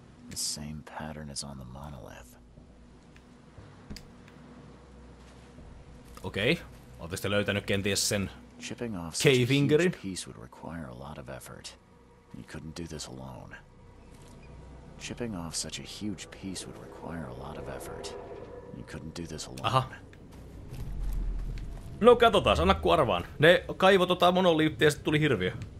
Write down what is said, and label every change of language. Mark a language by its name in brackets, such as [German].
[English] The same pattern is on the monolith. [Finnish] Okei, ootteko te löytänyt kenties sen... [English] Chipping off such a huge piece would require a lot of effort. You couldn't do this alone. Chipping off such a huge piece would require a lot of effort. You couldn't do this alone. Aha. [Finnish] No katsotaas, anna ku arvaan. Ne kaivo tota monoliittia ja sit tuli hirviö.